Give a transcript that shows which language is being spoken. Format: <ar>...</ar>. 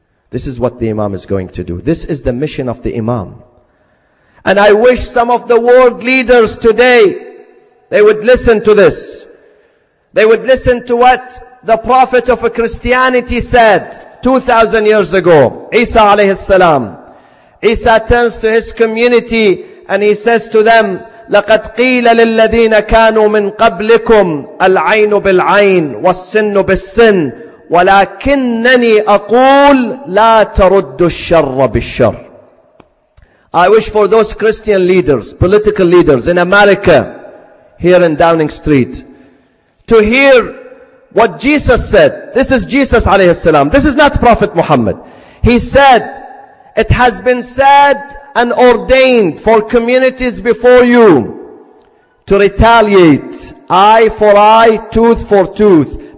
<en>This is what the Imam is going to do. This is the mission of the Imam. And I wish some of the world leaders today, they would listen to this. They would listen to what the Prophet of Christianity said 2,000 years ago, Isa alayhi salam. Isa turns to his community and he says to them,</en> <ar>لَقَدْ قِيلَ لِلَّذِينَ كَانُوا مِنْ قَبْلِكُمْ الْعَيْنُ بِالْعَيْنُ وَالسِّنُّ بِالسِّنُ وَلَكِنَّنِي أَقُولُ لَا تَرُدُّ الشَّرَّ بِالشَّرِّ.</ar> <en>I wish for those Christian leaders, political leaders in America, here in Downing Street, to hear what Jesus said. This is Jesus عليه السلام. This is not Prophet Muhammad. He said, it has been said and ordained for communities before you to retaliate eye for eye, tooth for tooth.</en>